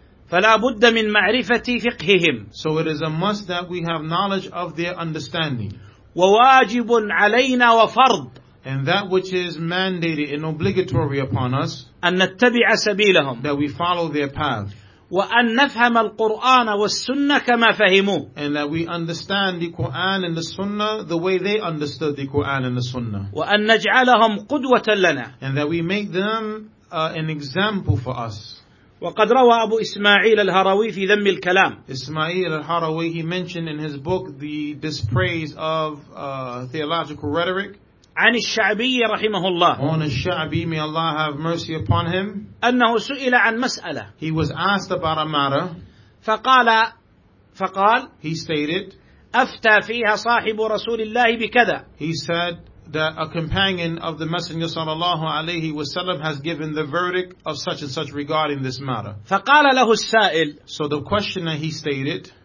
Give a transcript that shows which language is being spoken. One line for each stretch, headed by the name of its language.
Arabic: فلا بد من معرفة فقههم.
English: So it is a must that we have knowledge of their understanding.
Arabic: وواجب علينا وفرض.
English: And that which is mandated and obligatory upon us.
Arabic: أن نتبع سبيلهم.
English: That we follow their path.
Arabic: وأن نفهم القرآن والسنة كما فهموه.
English: And that we understand the Quran and the Sunnah the way they understood the Quran and the Sunnah.
Arabic: وأن نجعلهم قدوة لنا.
English: And that we make them an example for us.
Arabic: وقد روى أبو إسماعيل الهروي في ذم الكلام.
English: إسماعيل الهروي, he mentioned in his book the dispraise of theological rhetoric.
Arabic: عن الشعبي رحمه الله.
English: On الشعبي, may Allah have mercy upon him.
Arabic: أنه سئل عن مسألة.
English: He was asked about a matter.
Arabic: فقال.
English: He stated.
Arabic: أفتى فيها صاحب رسول الله بكذا.
English: He said that a companion of the Messenger
Arabic: sallallahu alayhi wa sallam
English: has given the verdict of such and such regarding this matter.
Arabic: فقال له السائل,
English: so the questioner, he stated,